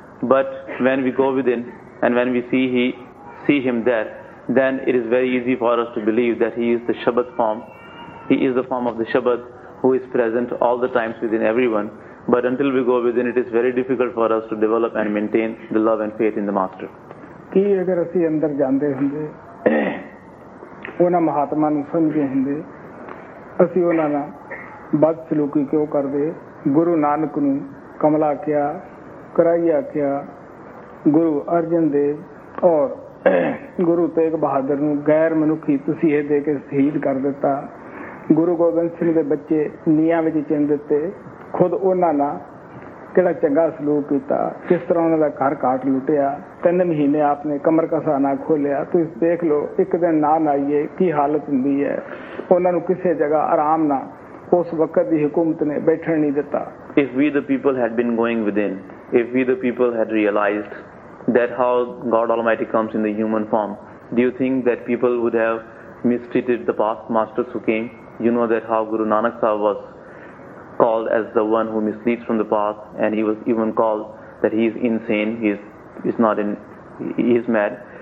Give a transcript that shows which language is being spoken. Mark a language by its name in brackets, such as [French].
[English] But when we go within and when we see Him there, then it is very easy for us to believe that He is the Shabad form. He is the form of the Shabad who is present all the times within everyone. But until we go within, it is very difficult for us to develop and maintain the love and faith in the Master. [Punjabi] ਕੀ ਅਗਰ ਅਸੀਂ ਅੰਦਰ ਜਾਂਦੇ ਹੁੰਦੇ ਉਹਨਾਂ ਮਹਾਤਮਾ ਨੂੰ ਸਮਝੇ ਹੁੰਦੇ, ਅਸੀਂ ਉਹਨਾਂ ਨਾਲ ਬਦਸਲੂਕੀ ਕਿਉਂ ਕਰਦੇ? ਗੁਰੂ ਨਾਨਕ ਨੂੰ ਕਮਲਾ ਕਿਹਾ, ਕਰਾਈਆ ਕਿਹਾ, ਗੁਰੂ ਅਰਜਨ ਦੇਵ ਔਰ ਗੁਰੂ ਤੇਗ ਬਹਾਦਰ ਨੂੰ ਗੈਰ ਮਨੁੱਖੀ ਤੁਸੀਂ ਇਹ ਦੇ ਕੇ ਸ਼ਹੀਦ ਕਰ ਦਿੱਤਾ, ਗੁਰੂ ਗੋਬਿੰਦ ਸਿੰਘ ਦੇ ਬੱਚੇ ਨੀਹਾਂ ਵਿੱਚ ਚਿੰਨ ਦਿੱਤੇ, ਖੁਦ ਉਹਨਾਂ ਨਾਲ ਕਿਹੜਾ ਚੰਗਾ ਸਲੂਕ ਕੀਤਾ, ਕਿਸ ਤਰ੍ਹਾਂ ਉਹਨਾਂ ਦਾ ਘਰ ਘਾਟ ਲੁੱਟਿਆ, 3 ਮਹੀਨੇ ਆਪਣੇ ਕਮਰ ਕਸਾ ਨਾ ਖੋਲਿਆ, ਤੁਸੀਂ ਦੇਖ ਲਓ ਇੱਕ ਦਿਨ ਨਾ ਆਈਏ ਕੀ ਹਾਲਤ ਹੁੰਦੀ ਹੈ, ਉਹਨਾਂ ਨੂੰ ਕਿਸੇ ਜਗ੍ਹਾ ਆਰਾਮ ਨਾ ਉਸ ਵਕਤ ਦੀ ਹਕੂਮਤ ਨੇ ਬੈਠਣ ਨਹੀਂ ਦਿੱਤਾ. [English] If we the people had been going within, if we the people had realised that how God almighty comes in the human form, do you think that people would have mistreated the past masters who came? You know that how Guru Nanak Sahib was called as the one who misleads from the past, and he was even called that he is insane, he is mad.